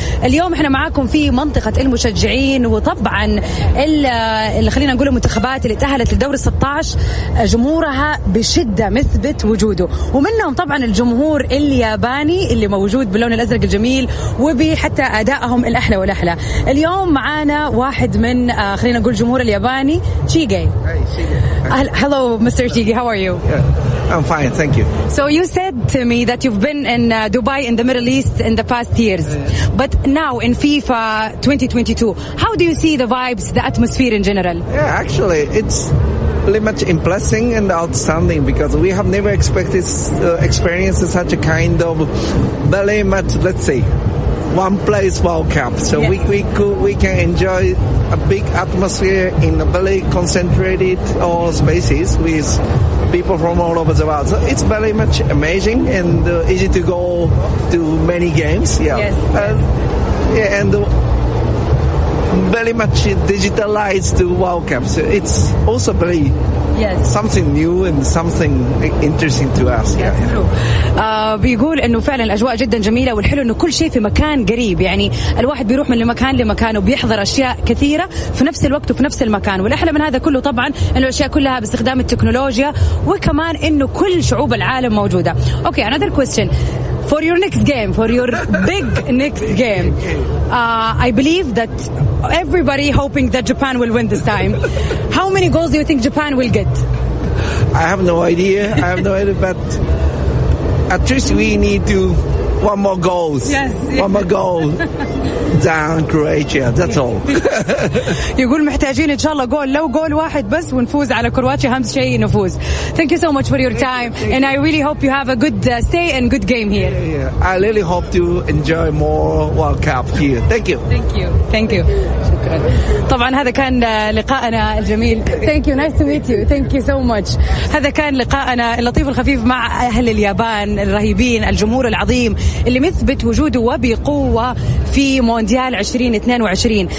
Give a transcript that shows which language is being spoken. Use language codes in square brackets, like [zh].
[ar] اليوم احنا معاكم في منطقة المشجعين، وطبعا اللي خلينا نقول المنتخبات اللي تأهلت للدور 16 جمهورها بشدة مثبت وجوده، ومنهم طبعا الجمهور الياباني اللي موجود باللون الأزرق الجميل وبحتى أدائهم الأحلى والأحلى. اليوم معانا واحد من خلينا نقول جمهور الياباني تشيغي. [en] Hello Mr. Chigi, how are you? I'm fine, thank you. So you said to me that you've been in Dubai in the Middle East in the past years. But now in FIFA 2022, how do you see the vibes, the atmosphere in general? Yeah, actually, it's pretty much impressing and outstanding because we have never expected experienced such a kind of very much, let's say, one place World Cup. So yes, we can enjoy a big atmosphere in a very concentrated all spaces with people from all over the world. So it's very much amazing and easy to go to many games. Yeah. Yes. Yeah, and very much digitalized to World Cup. So it's also very something new and something interesting to us. [ar] بيقول انه فعلا الاجواء جدا جميله، والحلو انه كل شيء في مكان قريب، يعني الواحد بيروح من مكان لمكان وبيحضر اشياء كثيره في نفس الوقت وفي نفس المكان. والاحلى من هذا كله طبعا انه الاشياء كلها باستخدام التكنولوجيا، وكمان انه كل شعوب العالم موجوده. اوكي، [en] another question for your next game, for your big next game. I believe that everybody hoping that Japan will win this time. How many goals do you think Japan will get? I have no idea, but at least we need to one more goals. Yes, yes. One more goal down Croatia. That's all. [ar] يقول محتاجين إن شاء الله جول، لو جول واحد بس ونفوز على كرواتيا أهم شيء نفوز. [en] Thank you so much for your time. And I really hope you have a good stay and good game here. Yeah. I really hope to enjoy more World Cup here. Thank you. Thank you. [ar] طبعا هذا كان لقاءنا الجميل. [en] Thank you. Nice to meet you. Thank you so much. [ar] هذا كان لقاءنا اللطيف الخفيف مع أهل اليابان الرهيبين، الجمهور العظيم اللي مثبت وجوده وبقوة في مونديال 2022.